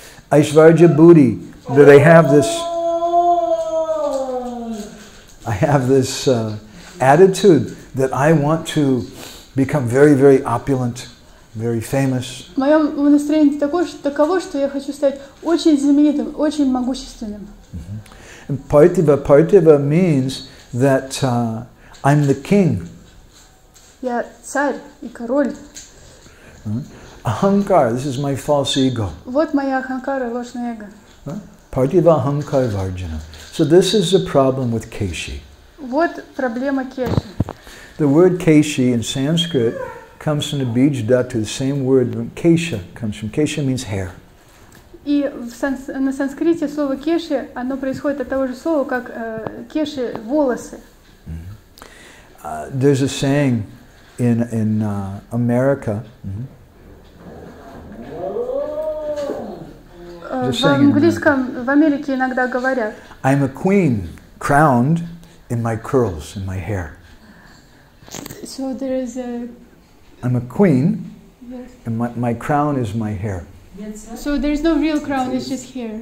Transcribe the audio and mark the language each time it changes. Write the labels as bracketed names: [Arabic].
[English] Aishvarja Buddhi, that I have this attitude that I want to become very, very opulent. Very famous. [Russian] Мое настроение таково, что я хочу стать очень знаменитым, очень могущественным. [English] And Paitiva means that I'm the king. [Russian] Я царь и король. [English] Ahankar, this is my false ego. [Russian] Вот моя аханкара, ложное эго. [English] Paitiva ahankar varjana. So this is the problem with Keshi. [Russian] Вот проблема Кеши. [English] The word Keshi in Sanskrit comes from the bija dhatu, the same word Kesha comes from. Kesha means hair. [Russian] И на санскрите слово кеши, оно происходит от того же слова, как кеши, волосы. [English] There's a saying in America. [Russian] В Америке иногда говорят. [English] I'm a queen, crowned in my curls, in my hair. So there is a... I'm a queen, and my crown is my hair. So there's no real crown, it's just hair, right?